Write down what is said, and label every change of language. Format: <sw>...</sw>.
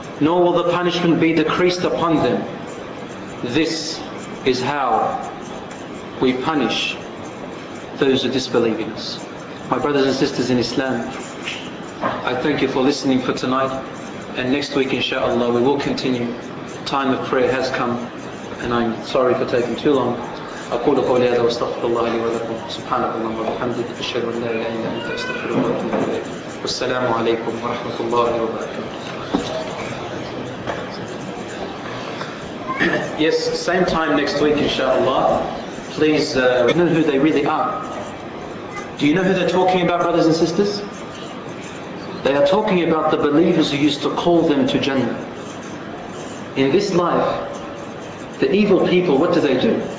<en>Nor will the punishment be decreased upon them. This is how we punish those who disbelieve in us. My brothers and sisters in Islam, I thank you for listening for tonight. And next week, inshallah, we will continue. Time of prayer has come. And I'm sorry for taking too long.</en> <ar>أقول قولي هذا واستغفر الله لي ولكم سبحانك اللهم وبحمدك أشهد أن لا إله إلا أنت أستغفرك وأتوب إليك والسلام عليكم ورحمة الله وبركاته.</ar> <en>Yes, same time next week inshallah. Please, do you know who they really are? Do you know who they're talking about, brothers and sisters? They are talking about the believers who used to call them to Jannah. In this life, the evil people, what do they do?</en>